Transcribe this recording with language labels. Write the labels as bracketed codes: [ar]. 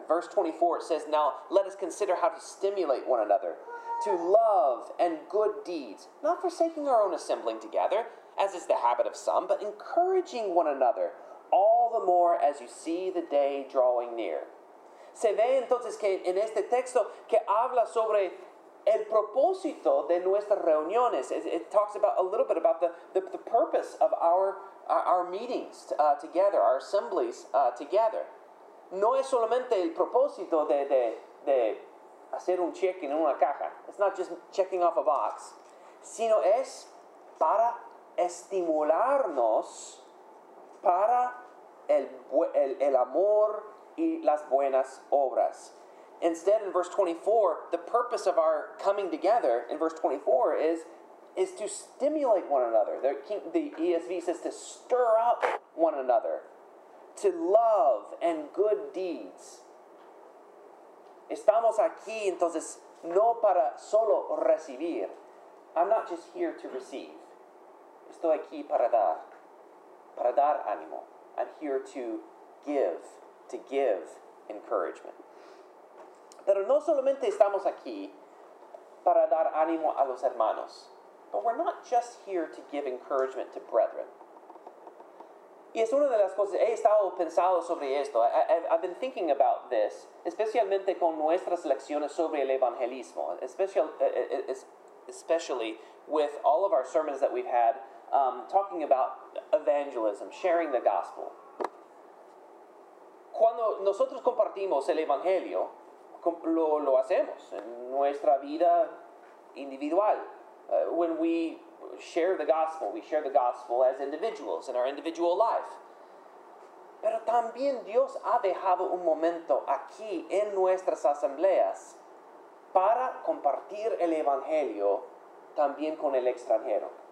[en] Verse 24 says, now let us consider how to stimulate one another to love and good deeds, not forsaking our own assembling together, as is the habit of some, but encouraging one another, all the more as you see the day drawing near. [es] Se ve entonces que en este texto que habla sobre el propósito de nuestras reuniones. [en] It talks about a little bit about the purpose of our meetings together, our assemblies together. [es] No es solamente el propósito de hacer un check en una caja. [en] It's not just checking off a box. [es] Sino es para estimularnos para el amor y las buenas obras. [en] Instead, in verse 24, the purpose of our coming together, in verse 24, is to stimulate one another. The ESV says to stir up one another, to love and good deeds. [es] Estamos aquí, entonces, no para solo recibir. [en] I'm not just here to receive. [es] Estoy aquí para dar ánimo. [en] I'm here to give encouragement. [es] Pero no solamente estamos aquí para dar ánimo a los hermanos. [en] But we're not just here to give encouragement to brethren. [es] Y es una de las cosas, he estado pensando sobre esto. [en] I've been thinking about this, [es] especialmente con nuestras lecciones sobre el evangelismo, [en] especially with all of our sermons that we've had talking about evangelism, sharing the gospel. [es] Cuando nosotros compartimos el evangelio, lo hacemos en nuestra vida individual. [en] When we share the gospel, as individuals in our individual life. [es] Pero también Dios ha dejado un momento aquí en nuestras asambleas para compartir el evangelio también con el extranjero.